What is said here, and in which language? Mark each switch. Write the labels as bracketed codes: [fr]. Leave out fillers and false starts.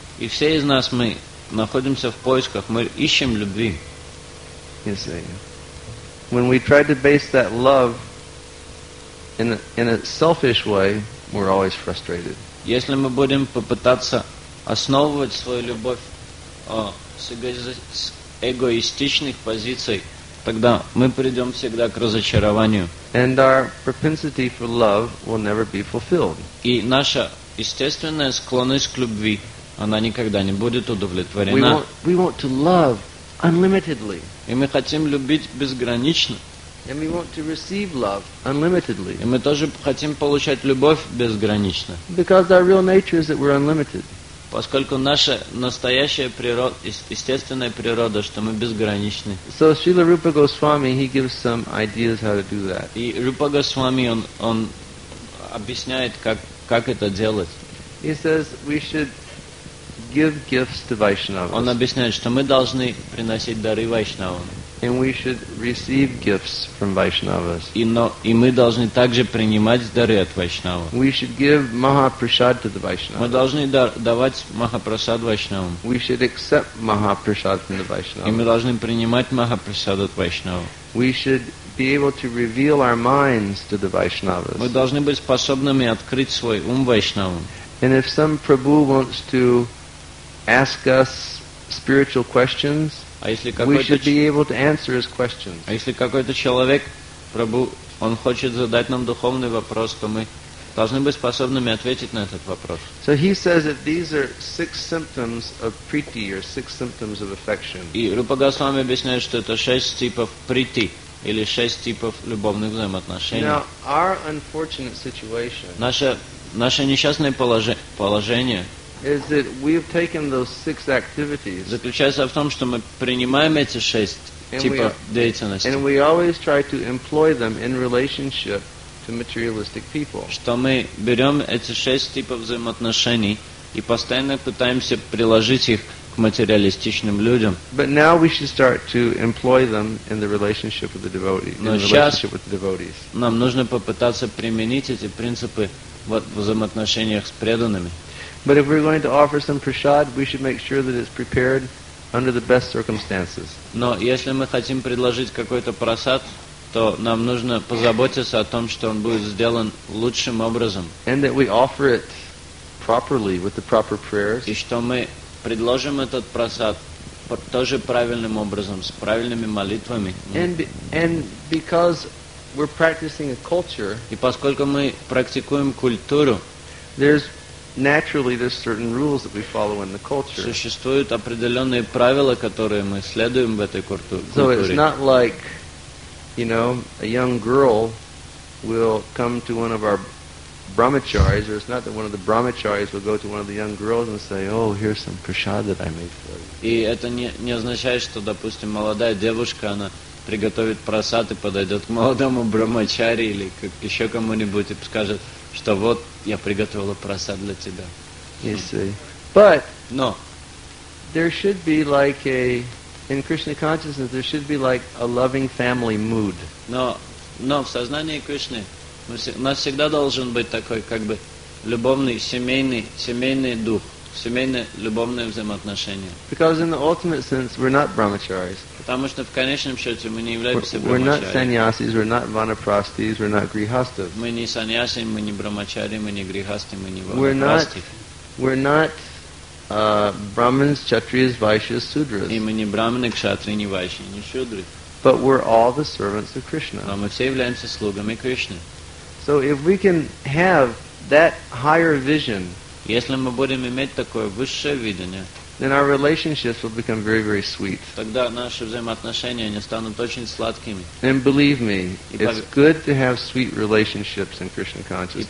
[ru] И все из нас, мы находимся в поисках, мы ищем любви. [en] You see. When we try to base that love in a selfish way, we're always frustrated. [ru] Если мы будем попытаться основывать свою любовь с эгоистичных позиций, тогда мы придем всегда к разочарованию. [en] And our propensity for love will never be fulfilled. [ru] И наша естественная склонность к любви, она никогда не будет удовлетворена. [en] We want to love unlimitedly. [ru] И мы хотим любить безгранично. [en] And we want to receive love unlimitedly. [ru] И мы тоже хотим получать любовь безгранично. [en] Because our real nature is that we're unlimited. [ru] Поскольку наша настоящая природа, естественная природа, что мы безграничны. [en] So Srila Rupa Goswami, he gives some ideas how to do that. [ru] И Рупа Госвами, он объясняет, как это делать. [en] He says we should give gifts to Vaishnavas. [ru] Он объясняет, что мы должны приносить дары Вайшнавам. [en] And we should receive gifts from Vaishnavas. [ru] И мы должны также принимать дары от Вайшнава. [en] We should give Mahaprasad to the Vaishnavas. [ru] Мы должны давать Махапрасад Вайшнавам. [en] We should accept Mahaprasad from the Vaishnavas. [ru] И мы должны принимать Махапрасад от Вайшнава. [en] We should be able to reveal our minds to the Vaishnavas. [ru] Мы должны быть способными открыть свой ум Вайшнавам. [en] And if some Prabhu wants to ask us spiritual questions, we should be able to answer his questions. [ru] А если какой-то человек, Прабху, он хочет задать нам духовный вопрос, то мы должны быть способными ответить на этот вопрос. [en] So he says that these are six symptoms of priti, or six symptoms of affection. [ru] И Рупа Госвами объясняет, что это шесть типов прити, или шесть типов любовных взаимоотношений. [en] Now, our unfortunate situation [ru] наше несчастное положение [en] is that we've taken those six activities, [ru] заключается в том, что мы принимаем эти шесть типов деятельности, [en] and we always try to employ them in relationship to materialistic people. [ru] Что мы берем эти шесть типов взаимоотношений и постоянно пытаемся приложить их к материалистичным людям. [en] But now we should start to employ them in the relationship with the devotee, in the relationship with the devotees. [ru] Нам нужно попытаться применить эти принципы в взаимоотношениях с преданными. [en] But if we're going to offer some prasad, we should make sure that it's prepared under the best circumstances. [ru] Но если мы хотим предложить какой-то просад, то нам нужно позаботиться о том, что он будет сделан лучшим образом. [en] And that we offer it properly with the proper prayers. [ru] И что мы предложим этот просад тоже правильным образом, с правильными молитвами. [en] And because we're practicing a culture. [ru] И поскольку мы практикуем культуру, [en] naturally, there's certain rules that we follow in the culture. [ru] Существуют определенные правила, которые мы следуем в этой культуре. [en] So it's not like, you know, a young girl will come to one of our brahmacharis, or it's not that one of the brahmacharis will go to one of the young girls and say, "Oh, here's some prasad that I made for you." [ru] И это не означает, что, допустим, молодая девушка, она приготовит просад и подойдет к молодому брахмачари или к еще кому-нибудь и скажет, что вот я приготовила просад для тебя. [en] You see. But no. There should be like a in Krishna consciousness there should be like a loving family mood. [ru] Но в сознании Кришны у нас всегда должен быть такой как бы любовный семейный дух. Семейные любовные взаимоотношения. [en] Because in the ultimate sense we're not brahmacharis. [ru] Потому что в конечном счете мы не являемся брахмачари. [en] We're not sannyasis, we're not vanaprastis, we're not grihastas. [ru] Мы не саньяси, мы не брахмачари, мы не грихасты, мы не ванапрасти. [en] We're not brahmins, kshatriyas, vaishyas, sudras. [ru] И мы не брахманы, кшатри, не вайши, не шудры. [en] But we're all the servants of Krishna. [ru] Но мы все являемся слугами Кришны. [en] So if we can have that higher vision. [ru] Если мы будем иметь такое высшее видение, [en] then our relationships will become very, very sweet. [ru] Тогда наши взаимоотношения они станут очень сладкими. [en] And believe me, it's good to have sweet relationships in Krishna consciousness.